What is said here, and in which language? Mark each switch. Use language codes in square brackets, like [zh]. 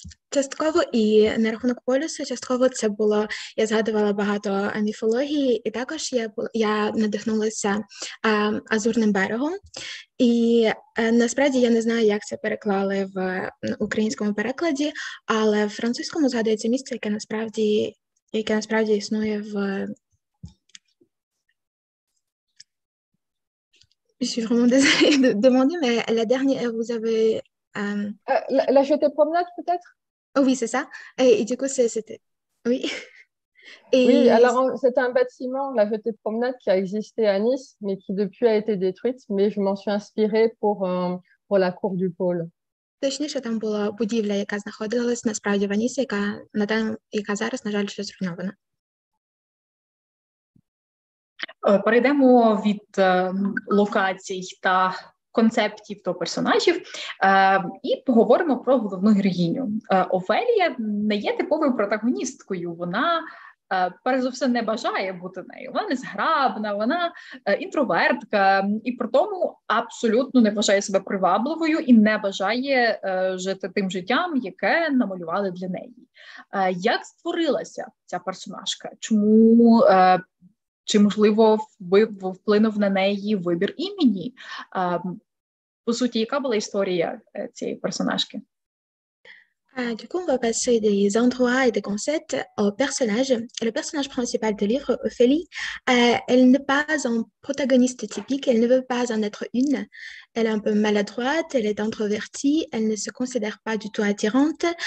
[uk] Частково і на рахунок полюсу, частково це було, я згадувала багато міфології, і також я надихнулася Азурним берегом. І насправді я не знаю, як це переклали в українському перекладі, але в французькому згадується місце, яке насправді існує в... [fr] Je suis vraiment désolée de demander, mais la dernière, vous avez... La jetée promenade, peut-être? Oui, c'est ça. Et du coup, c'était... Oui. C'est un bâtiment, la jetée promenade, qui a existé à Nice, mais qui depuis a été détruite. Mais je m'en suis inspirée pour la cour du pôle. [uk] Точніше, там була будівля, яка знаходилась насправді в Анісі, яка зараз, на жаль, ще зруйнована. Перейдемо від локацій та концептів до персонажів, і поговоримо про головну героїню. Офелія не є типовою протагоністкою, вона, перш за все, не бажає бути нею. Вона незграбна, вона інтровертка, і при тому абсолютно не вважає себе привабливою і не бажає жити тим життям, яке намалювали для неї. Як створилася ця персонажка? Чому... Чи, можливо, вплинув на неї вибір імені? По суті, яка була історія цієї персонажки? [fr] Du coup, on va passer des endroits et des concepts au personnage. Le personnage principal du livre, Ophélie, elle n'est pas un protagoniste typique, elle ne veut pas en être une. Elle est un peu maladroite, elle est introvertie, elle ne se considère pas du tout attirante.